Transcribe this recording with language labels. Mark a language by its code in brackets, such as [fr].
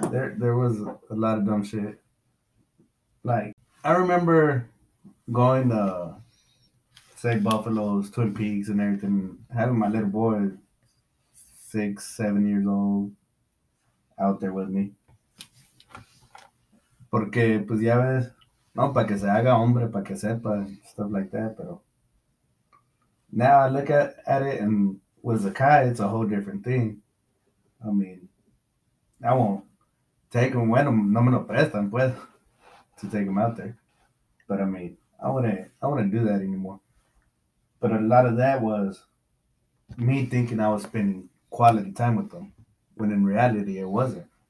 [en] There was a lot of dumb shit. Like, I remember going to, say, Buffalo's, Twin Peaks and everything, having my little boy, 6, 7 years old, out there with me. [es] Porque, pues ya ves, no, para que se haga hombre, para que sepa, [en] stuff like that. But now I look at it, and with Zakai, it's a whole different thing. I mean, I won't take him when I'm, [es] no me lo prestan, pues, [en] to take him out there. But I mean, I wouldn't do that anymore. But a lot of that was me thinking I was spending quality time with them, when in reality it wasn't.